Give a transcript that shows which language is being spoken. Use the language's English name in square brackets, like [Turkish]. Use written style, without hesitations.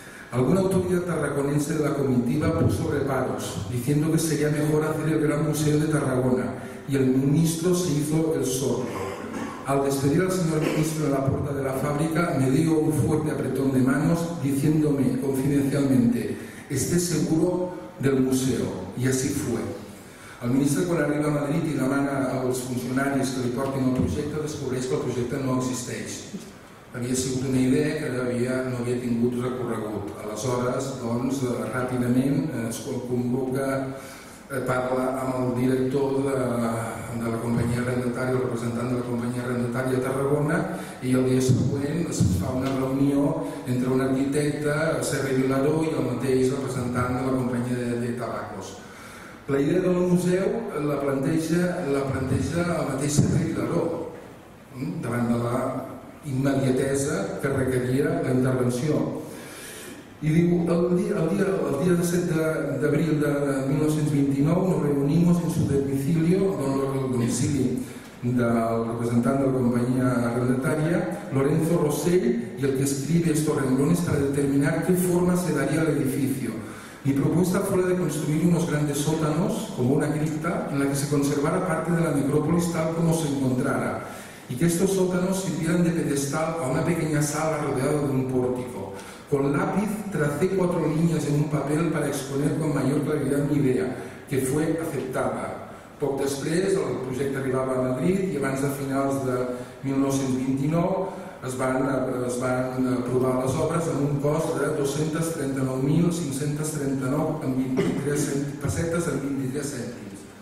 [Spanish] Alguna autoridad tarraconense de la comitiva puso reparos, diciendo que sería mejor hacer el Gran Museo de Tarragona, y el ministro se hizo el sordo. Al despedir al señor ministro de la puerta de la fábrica, me dio un fuerte apretón de manos, diciéndome confidencialmente, esté seguro del museo. Y así fue. [Catalan] El ministro, quan arriba a Madrid i demana als funcionaris que li portin el projecte, descobreix que el projecte no existeix. Havia sigut una idea que no havia tingut recorregut. Aleshores, doncs, ràpidament, es convoca, parla amb el director de la companyia arrendatària, el representant de la companyia arrendatària a Tarragona, i el dia següent es fa una reunió entre un arquitecte, Serra i Vilaró, i el mateix representant de la companyia de tabacos. La idea del museu la planteja el mateix Serra i Vilaró, davant de la immediatesa que requeria la intervenció. [Spanish] Y digo, el día de 7 de abril de 1929 nos reunimos en su domicilio, en el domicilio del representante de la compañía arrendataria, Lorenzo Rossell, y el que escribe estos renglones para determinar qué forma se daría al edificio. Mi propuesta fue la de construir unos grandes sótanos, como una cripta, en la que se conservara parte de la necrópolis tal como se encontrara, y que estos sótanos sirvieran de pedestal a una pequeña sala rodeada de un pórtico. Con lápiz tracé cuatro líneas en un papel para exponer con mayor claridad mi idea, que fue aceptada. [Catalan] Poc després, el projecte arribava a Madrid i abans de finals de 1929 es van aprovar les obres amb un cost de 239.539 pessetes en 23 cèntims.